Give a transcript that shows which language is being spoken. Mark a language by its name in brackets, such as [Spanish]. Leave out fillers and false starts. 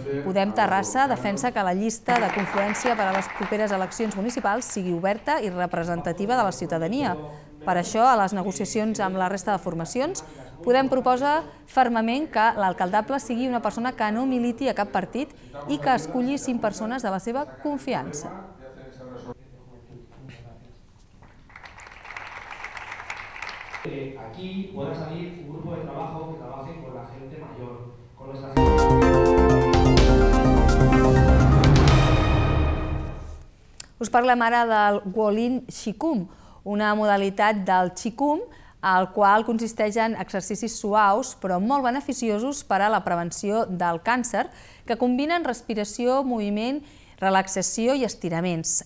[Catalan] Podem Terrassa defensa que la llista de confluència per a les properes eleccions municipals sigui oberta i representativa de la ciutadania. Per això, a les negociacions amb la resta de formacions, Podem proposa fermament que l'alcaldable sigui una persona que no militi a cap partit i que esculli 5 persones de la seva confiança. [Spanish] Aquí puede salir un grupo de trabajo que trabaje con la gente mayor, con esa gente. [Catalan] Us parlem ara del Guolin Shikung, una modalitat del Qigong, el qual consisteix en exercicis suaus però molt beneficiosos per a la prevenció del càncer, que combinen respiració, moviment, relaxació i estiraments.